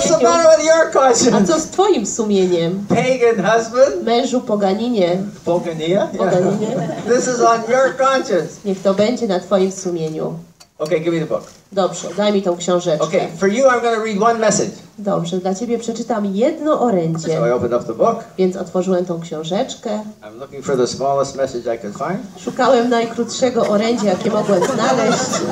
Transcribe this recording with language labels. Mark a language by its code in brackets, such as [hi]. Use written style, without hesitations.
[en] What's the matter with your conscience? [pl] A co z twoim sumieniem? [en] Pagan husband. [pl] Mężu poganinie. Poganinie. [en] This is on your conscience. [pl] Niech to będzie na twoim sumieniu. [en] Okay, give me the book. [pl] Dobrze, daj mi tą książeczkę. [en] Okay, for you I'm going to read one message. [pl] Dobrze, dla ciebie przeczytam jedno orędzie. [en] So I opened up the book. [pl] Więc otworzyłem tą książeczkę. [en] I'm looking for the smallest message I could find. [pl] Szukałem najkrótszego orędzia, jakie mogłem znaleźć.